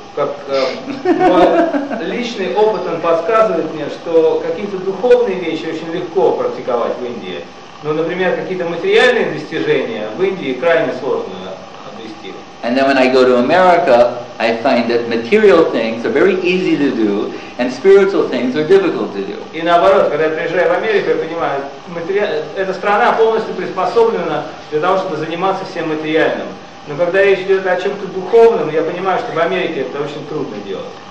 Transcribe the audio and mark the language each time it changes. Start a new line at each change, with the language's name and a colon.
Russian: Как мой личный опыт, он подсказывает мне, что какие-то духовные вещи очень легко практиковать в Индии, но, например, какие-то материальные достижения в Индии крайне сложно.
English: And then when I go to America, I find that material things are very easy to do, and spiritual things are difficult to do.
Russian: И наоборот, когда я приезжаю в Америку, я понимаю, эта страна полностью приспособлена для того, чтобы заниматься всем материальным. Но когда речь идет о чем-то духовном, я понимаю, что в Америке это очень трудно делать.